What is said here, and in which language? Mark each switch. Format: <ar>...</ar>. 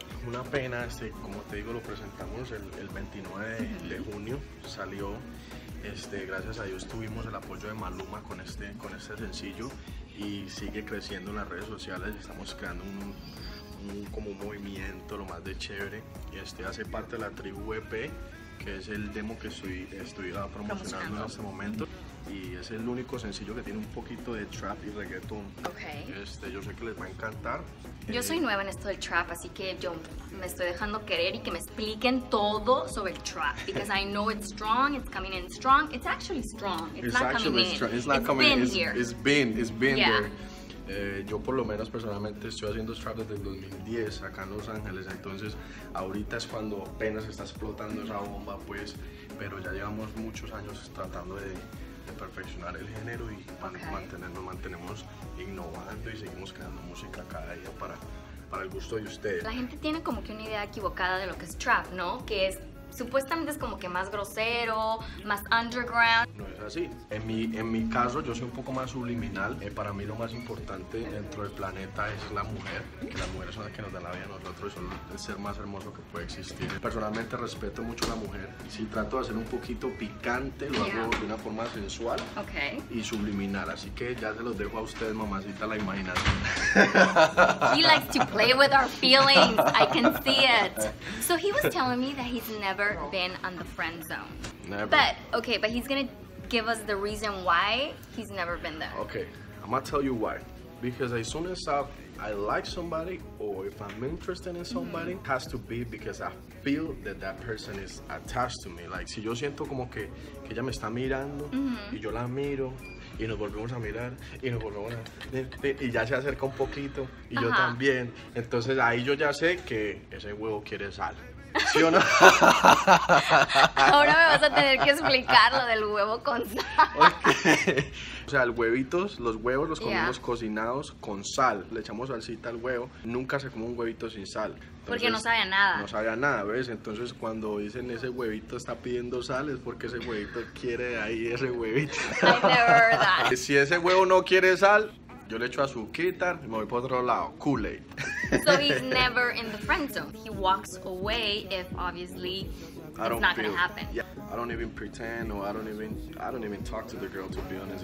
<es>Una pena, como te digo, lo presentamos el 29 de junio, salió, gracias a Dios tuvimos el apoyo de Maluma con este sencillo y sigue creciendo en las redes sociales, estamos creando un movimiento lo más de chévere y hace parte de la tribu EP, que es el demo que estoy promocionando en este momento. Y es el único sencillo que tiene un poquito de trap y reggaeton.</es> <en>Okay.</en> <es>Yo sé que les va a encantar. Yo soy nueva en esto del trap, así que yo me estoy dejando querer y que me expliquen todo sobre el trap.</es> <en>Because I know it's strong, it's coming in strong. It's actually strong. It's not coming in. It's been there.</en> <es>Yo por lo menos personalmente estoy haciendo trap desde el 2010 acá en Los Ángeles, entonces ahorita es cuando apenas está explotando esa bomba, pues, pero ya llevamos muchos años tratando de perfeccionar el género y mantenernos innovando y seguimos creando música cada día para el gusto de ustedes. La gente tiene como que una idea equivocada de lo que es trap, ¿no? Que es, supuestamente es como que más grosero, más underground. No es así. En mi caso, yo soy un poco más subliminal. Para mí lo más importante dentro del planeta es la mujer. Que las mujeres son las que nos dan la vida a nosotros y son el ser más hermoso que puede existir. Personalmente respeto mucho a la mujer. Si trato de hacer un poquito picante, lo hago de una forma sensual y subliminal. Así que ya se los dejo a ustedes, mamacita, la imaginación.</es> <en>He likes to play with our feelings. I can see it. So he was telling me that he's never been on the friend zone. Never. But, okay, but he's gonna give us the reason why he's never been there. Okay, I'm gonna tell you why. Because as soon as I like somebody, or if I'm interested in somebody, it has to be because I feel that person is attached to me. Like,</en> <es>si yo siento como que ella me está mirando, y yo la miro, y nos volvemos a mirar, y nos volvemos a... Y ya se acerca un poquito, y yo también. Entonces ahí yo ya sé que ese huevo quiere sal. ¿Sí o no? Ahora me vas a tener que explicar lo del huevo con sal. Okay. O sea, los huevos los comemos cocinados con sal. Le echamos salsita al huevo. Nunca se come un huevito sin sal. Entonces, porque no sabe a nada. No sabe a nada, ¿ves? Entonces cuando dicen ese huevito está pidiendo sal, es porque ese huevito quiere ahí ese huevito. Si ese huevo no quiere sal, yo le echo azúcar y me voy por otro lado.</es> <en>Kool-Aid. So he's never in the friend zone. He walks away if obviously it's not gonna happen. Yeah. I don't even pretend or I don't even talk to the girl, to be honest.</en>